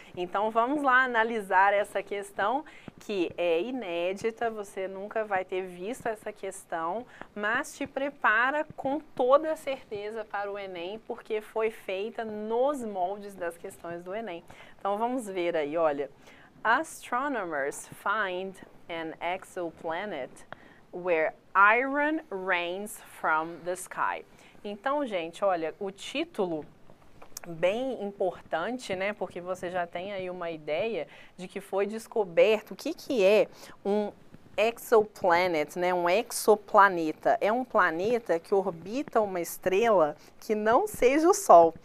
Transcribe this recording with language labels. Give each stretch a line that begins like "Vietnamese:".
Portuguese: Então vamos lá analisar essa questão, que é inédita, você nunca vai ter visto essa questão, mas te prepara com toda certeza para o Enem, porque foi feita nos moldes das questões do Enem. Então vamos ver aí, olha.
English: Astronomers find an exoplanet where iron rains from the sky.
Portuguese: Então, gente, olha, o título bem importante, né, porque você já tem aí uma ideia de que foi descoberto o que que é um exoplanet, né? Um exoplaneta. É um planeta que orbita uma estrela que não seja o Sol.